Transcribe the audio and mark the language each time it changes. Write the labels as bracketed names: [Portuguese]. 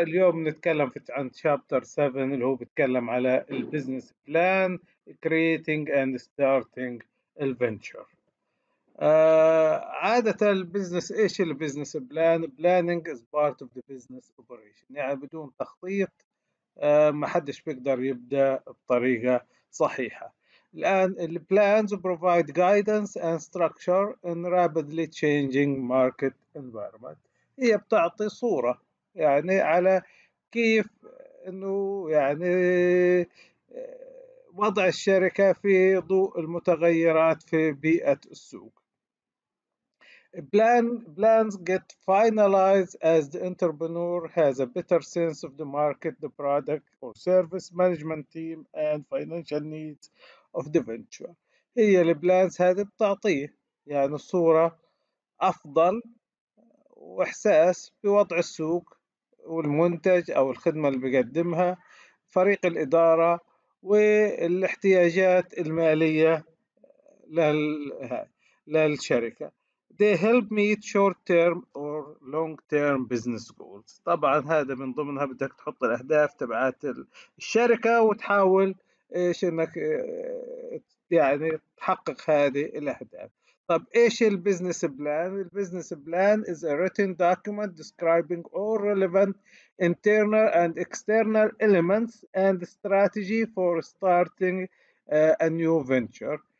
[Arabic] اليوم نتكلم عن شابتر 7 اللي هو بيتكلم على البزنس بلان [English] creating and starting [Arabic] الفينشر. عادة البزنس، ايش البزنس بلان؟ [English] planning is part of the business operation, [Arabic] يعني بدون تخطيط ما حدش بيقدر يبدأ بطريقة صحيحة. الآن [English] the plans provide guidance and structure in rapidly changing market environment. [Arabic] هي بتعطي صورة يعني على كيف إنه يعني وضع الشركة في ضوء المتغيرات في بيئة السوق. [English] Plans get finalized as the entrepreneur has a better sense of the market, the product or service, management team and financial needs of the venture. [Arabic] هي البلانز هذه بتعطيه يعني صورة أفضل وإحساس بوضع السوق والمنتج أو الخدمة اللي بيقدمها فريق الإدارة والاحتياجات المالية للشركة. [English] They help meet short-term or long-term business goals. [Arabic] طبعا هذا من ضمنها بدك تحط الأهداف تبعات الشركة وتحاول إيش إنك يعني تحقق هذه الأهداف. طب إيش البزنس بلان؟ البزنس بلان [English] is a written document describing all relevant internal and external elements and strategy for starting a new venture.